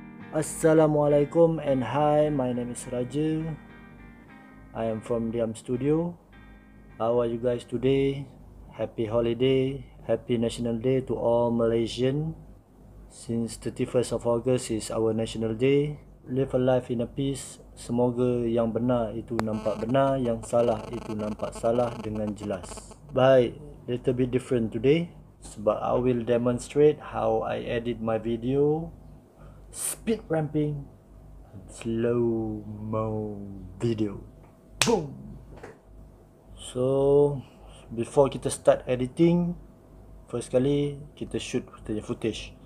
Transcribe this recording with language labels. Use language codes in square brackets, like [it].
[en] Assalamualaikum and hi, my name is Raja. I am from Diam Studio. How are you guys today? Happy holiday, happy National Day to all Malaysian. Since 31st of August is our National Day. Live a life in a peace. [ms] Semoga yang benar itu nampak benar, yang salah itu nampak salah dengan jelas. [en] Baik, little bit different today. Sebab I will demonstrate how I edit my video speed ramping and slow-mo video. Boom! So, before kita start editing, first kali kita shoot footage.